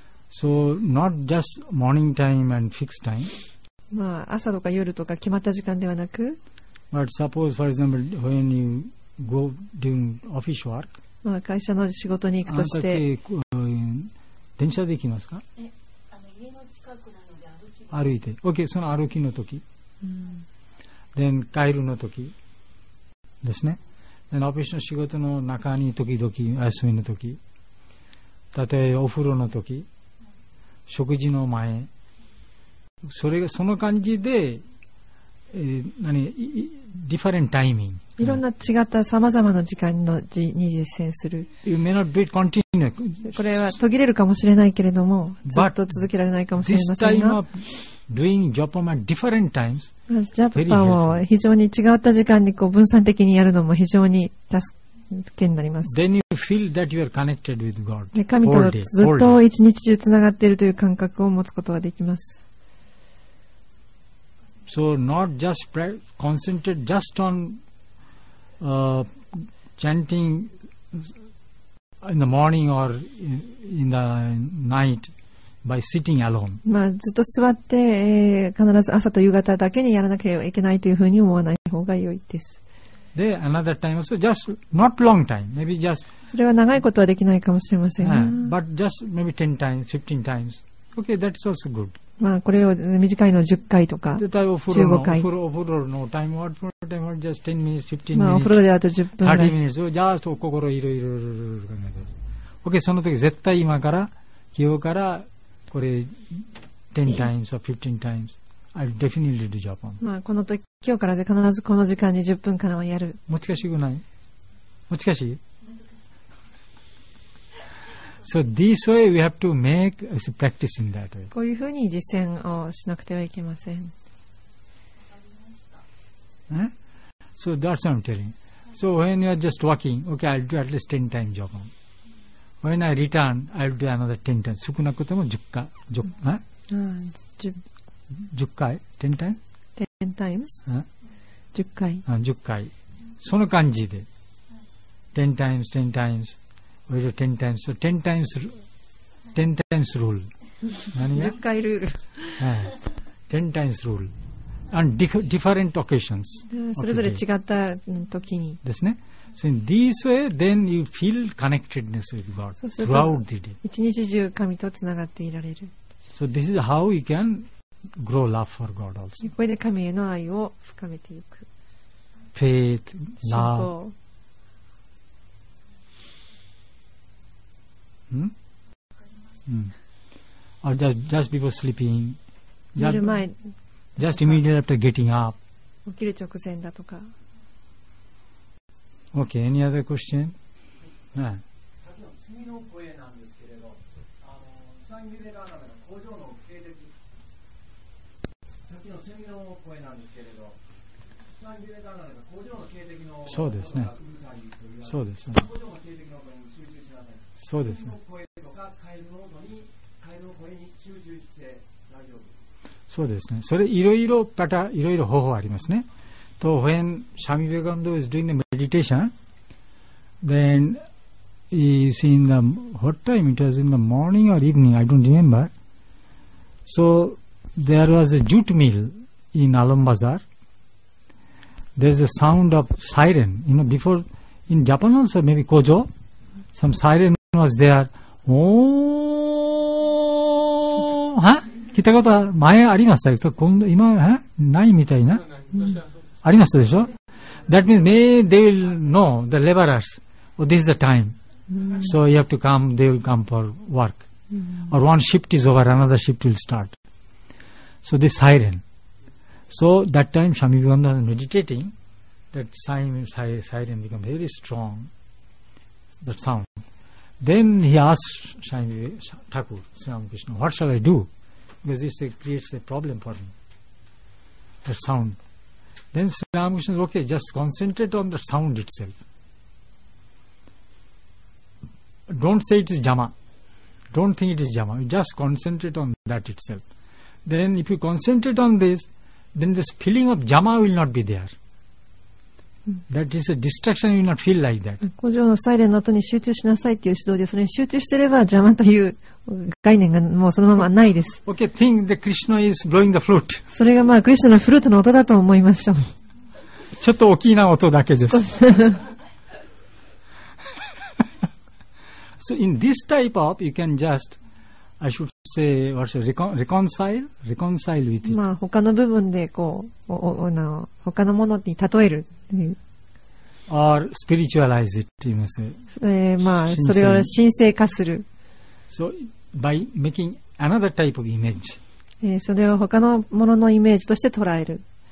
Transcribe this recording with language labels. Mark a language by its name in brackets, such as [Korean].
[English] So not just morning time and fixed time. [Japanese] まあ朝とか夜とか決まった時間ではなく。 [English] But suppose, for example, when you go doing office work. [Japanese] まあ会社の仕事に行くとして。電車で行きますか。え、あの家の近くなので歩き。歩いて。Okay, その歩きの時。うん。Then 帰るの時。ですね。オフィスの仕事の中に時々休みの時、例えばお風呂の時、食事の前、それがその感じで、何、 [English] different timing。 [Japanese] いろんな違ったさまざまな時間のに実践する。 [English] You may not be continue。 [Japanese] これは途切れるかもしれないけれども、ずっと続けられないかもしれませんが。 [English] Doing japa at different times. [Japanese] Japa を非常に違った時間にこう分散的にやるのも非常に助けになります。 [English] Then you feel that you are connected with God. [Japanese] 神とずっと一日中つながっているという感覚を持つことができます。 [English] So not just concentrate just on chanting in the morning or in the night. By sitting alone. [Japanese] まあ、ずっと座って、必ず朝と夕方だけにやらなきゃいけないというふうに思わない方が良いです。 [English] で、another time also, just not long time, maybe just. [Japanese] それは長いことはできないかもしれませんが。 [English] But just maybe 10 times, 15 times. Okay, that's also good. [Japanese] まあ、これを短いの10回とか、15回。お風呂のタイムは、お風呂のタイムは、 [English] just 10 minutes, 15 minutes. [Japanese] まあ、お風呂であと10分。 [English] 30 minutes, just [Japanese] 心いろいろいろいろいろ考えます。 [English] Okay, [Japanese] その時絶対今から、気をから、これ [English] 10 times or 15 times I'll definitely do Japan. [Japanese] まあこの時今日からで必ずこの時間に10分からはやる。難しくない？難しい？難しい。 [English] So this way we have to make a practice in that way. [Japanese] こういうふうに実践をしなくてはいけません。 [English] So that's what I'm telling. So when you are just walking, okay, I'll do at least 10 times Japan. When I return, I'll do another 10 times. [Japanese] 少なくても10回。その感じで。 [English] 10 times. We do 10 times. So 10 times, 10 times rule. [Japanese] 何が？ 10 回ルール。 [English] 10 times rule. And different occasions. [Japanese] それぞれ違った時に。ですね。 [English] So in this way, then you feel connectedness with God throughout the day. [Japanese] 一日中神とつながっていられる。 [English] So this is how you can grow love for God also. [Japanese] これで神への愛を深めていく。 [English] Faith, love. [Japanese] 信仰。 [English] Or just before sleeping. [Japanese] 寝る前。 [English] Just immediately after getting up. [Japanese] 起きる直前だとか。 [English] Okay, any other question? [Japanese] そうですね。そうですね。そうですね。そうですね。それいろいろパターン、いろいろ方法ありますね。 [English] So when Swami Vivekananda is doing the meditation, then he is in the, what time? It was in the morning or evening, I don't remember. So there was a jute mill in Alam Bazar. There is a sound of siren. You know, before, in Japan also, maybe Kojo, some siren was there. Oh! Huh? [Japanese] 聞いたことは前ありましたけど、今、huh? ないみたいな。ありましたでしょ [English] That means may they will know the laborers, oh, this is the time.、Mm. So you have to come, they will come for work.、Mm. Or one shift is over, another shift will start. So this siren. So that time Swami Vivekananda was meditating, that siren became very strong, that sound. Then he asked Swami Thakur, Sri Ramakrishna, what shall I do? Because this creates a problem for me, that sound. Then Sri Ramakrishna said, okay, just concentrate on the sound itself. Don't say it is jama. Don't think it is jama. Just concentrate on that itself. Then if you concentrate on this, then this feeling of jama will not be there. That is a distraction. You will not feel like that. [Japanese] 工場のサイレンの後に集中しなさいという指導で、それに集中していれば邪魔という概念がもうそのままないです。 [English] Okay, think that Krishna is blowing the flute. [Japanese] それがまあクリシュナのフルートの音だと思いましょう。ちょっと大きな音だけです。 [English] So in this type of, you can just, I should say, what should reconcile, reconcile with it. [Japanese] まあ他の部分でこう、他のものに例える。 [English] Or spiritualize it, you may say. [Japanese] まあそれを神聖化する。 [English] So by making another type of image. [Japanese] それを他のもののイメージとして捉える。